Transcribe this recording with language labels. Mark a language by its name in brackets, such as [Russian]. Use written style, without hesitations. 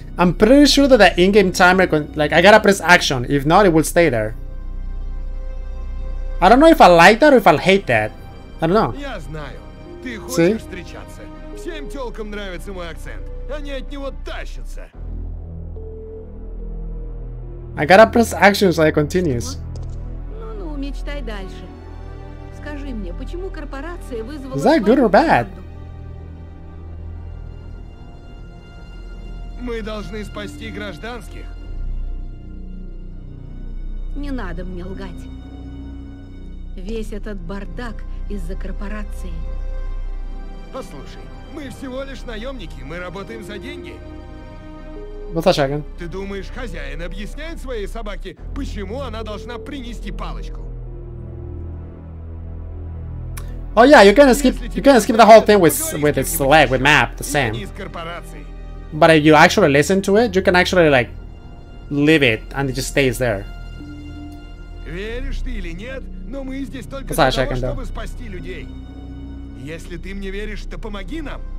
[English] I'm pretty sure that the in-game timer, I gotta press action. If not, it will stay there. I don't know if I like that or if I hate that. I don't know. [Russian] Я знаю. Ты хочешь встречаться? Всем тёлкам нравится мой акцент. Они от него тащатся. [English] I gotta press action so it continues. [Russian] Ну, мечтай дальше. Скажи мне, почему корпорация вызвала... [English] Is that good or bad? [Russian] Мы должны спасти гражданских. Не надо мне лгать. Весь этот бардак из-за корпорации. Послушай, мы всего лишь наемники, мы работаем за деньги. Натачаган. Ты думаешь, хозяин объясняет своей собаке, почему она должна принести палочку? [English] Oh yeah, you're gonna skip the whole thing with its leg, with map, the same. But if you actually listen to it, you can actually like leave it and it just stays there. [Russian] Веришь ты или нет, но мы здесь только для того, чтобы спасти людей. Если ты мне веришь, то помоги нам.